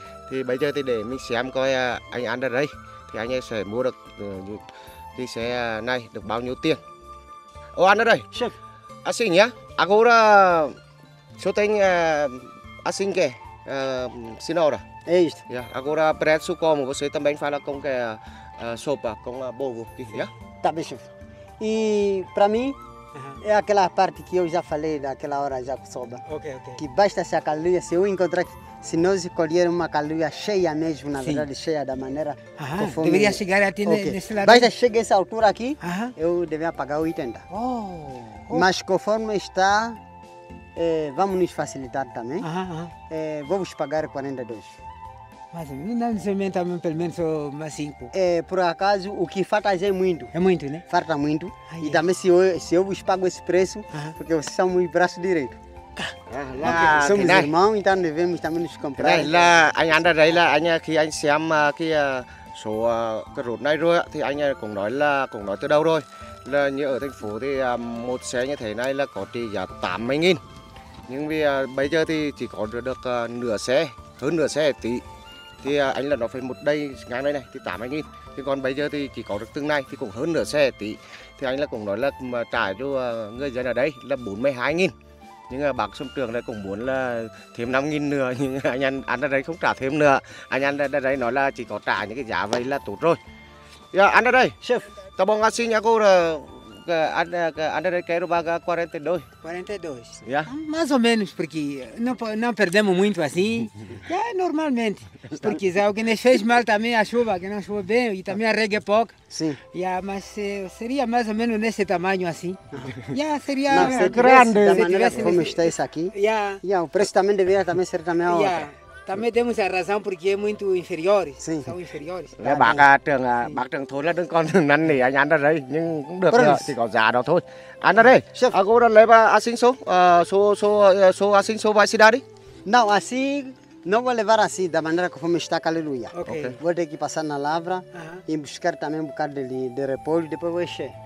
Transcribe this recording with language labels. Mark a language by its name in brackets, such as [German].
[Vietnamese] Thì bây giờ thì để mình xem coi anh ăn ở đây thì anh sẽ mua được cái xe này được bao nhiêu tiền. Ô ăn ở đây. Chef. À xin nhá. [Portuguese] Agora só tem assim que senhora. É isto. [English] Yeah. [Portuguese] Agora preço como você também fala com que sopa com bolo, yeah? Tá bem, chef. E para mim é aquela parte que eu já falei daquela hora já com soba. Ok, ok. Que basta se a caluia, se eu encontrar, se nós escolher uma caluia cheia mesmo, na sim, verdade, cheia da maneira conforme... deveria chegar até okay, nesse lado. Basta chegar essa altura aqui, eu deveria pagar 80. Oh, oh. Mas conforme está, vamos nos facilitar também. Vamos pagar 42. Mas não se aumenta pelo menos mais 5. Por acaso, o que falta é muito. É muito, né? Falta muito. Ai, e é. Também se eu vos pago esse preço, porque vocês são os braços direitos. [English] Okay. [Portuguese] Somos que irmãos, então devemos também nos comprar. [Vietnamese] Lá, anh [Portuguese] anda daí, [Vietnamese] lá, anh, que anh xem cái số cái rốt này rồi, thì anh cũng nói là, cũng nói từ đâu rồi. Là như ở thành phố thì một xe như thế này là có trị giá 80.000. Nhưng vì bây giờ thì chỉ có được nửa xe, hơn nửa xe tí. Thì anh là nó phải một đây ngang đây này thì 80.000. Thì còn bây giờ thì chỉ có được từng này thì cũng hơn nửa xe tí. Thì anh là cũng nói là mà trả cho người dân ở đây là 42.000. Nhưng bác xâm trường lại cũng muốn là thêm 5.000 nữa. Nhưng anh ăn ở đây không trả thêm nữa. Anh ăn ở đây nói là chỉ có trả những cái giá vậy là tốt rồi. Dạ ăn ở đây. Chef. Tao bỏ ngạc xin nhá cô là ăn ở đây cái rô bà 42. 42. Dạ. [Portuguese] Mais ou menos porque não perdemos muito assim. É normalmente. Porque se alguém fez mal também a chuva, que não chove bem e também a regue pouco. Sim. Yeah, mas seria mais ou menos nesse tamanho assim. Yeah, seria não, se grande. Se tivesse como nesse... está isso aqui. [English] Yeah. [Portuguese] Yeah, o preço também deveria também ser também outro. [English] Yeah. [Portuguese] Também temos a razão porque é muito inferior. Sim. São inferiores. [Vietnamese] Tá, bác trưởng thôi là đừng còn năn nỉ anh ăn ở đây. Nhưng cũng được rồi, chỉ có giá đó thôi. Ăn ở đây. Chef. [Portuguese] Agora leva assim só assim só vai se dar. Não, assim... Não vou levar assim, da maneira que fomos estar com a aleluia. [English] Okay. [Portuguese] Vou ter que passar na lavra e buscar também um bocado de repolho e depois vou encher.